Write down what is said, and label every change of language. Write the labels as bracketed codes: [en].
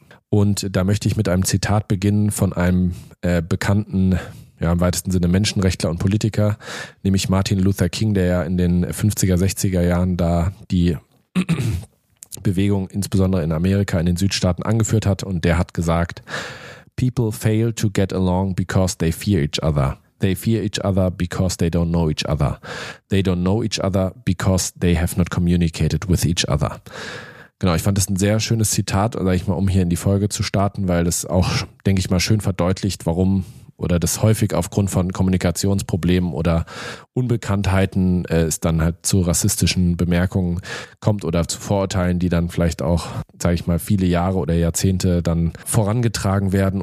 [de] Und da möchte ich mit einem Zitat beginnen von einem bekannten, im weitesten Sinne Menschenrechtler und Politiker, nämlich Martin Luther King, der ja in den 50er, 60er Jahren da die Bewegung insbesondere in Amerika, in den Südstaaten angeführt hat. Und der hat gesagt, [en] "People fail to get along because they fear each other. They fear each other because they don't know each other. They don't know each other because they have not communicated with each other." [de] Genau, ich fand das ein sehr schönes Zitat, sag ich mal, um hier in die Folge zu starten, weil das auch, denke ich mal, schön verdeutlicht, warum oder das häufig aufgrund von Kommunikationsproblemen oder Unbekanntheiten es dann halt zu rassistischen Bemerkungen kommt oder zu Vorurteilen, die dann vielleicht auch, sag ich mal, viele Jahre oder Jahrzehnte dann vorangetragen werden.